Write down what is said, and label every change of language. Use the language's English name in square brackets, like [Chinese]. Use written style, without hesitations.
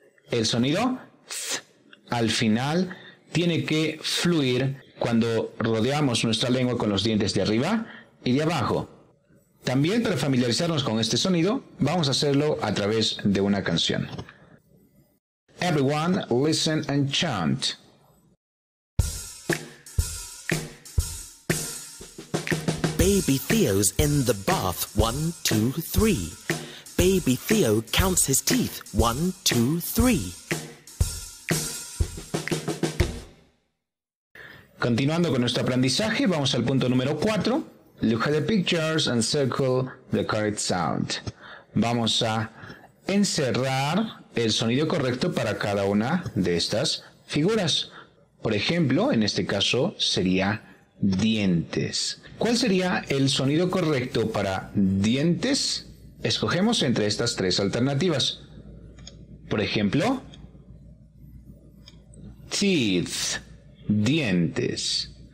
[Spanish] El sonido th al final tiene que fluir cuando rodeamos nuestra lengua con los dientes de arriba y de abajo. También para familiarizarnos con este sonido, vamos a hacerlo a través de una canción. [English] Everyone, listen and chant. Baby Theo's in the bath, one, two, three. Baby Theo counts his teeth, one, two, three. [Spanish] Continuando con nuestro aprendizaje, vamos al punto número 4. [English] Look at the pictures and circle the correct sound. [Spanish] Vamos a encerrar el sonido correcto para cada una de estas figuras. Por ejemplo, en este caso sería dientes. ¿Cuál sería el sonido correcto para dientes? Escogemos entre estas tres alternativas. Por ejemplo, teeth, dientes.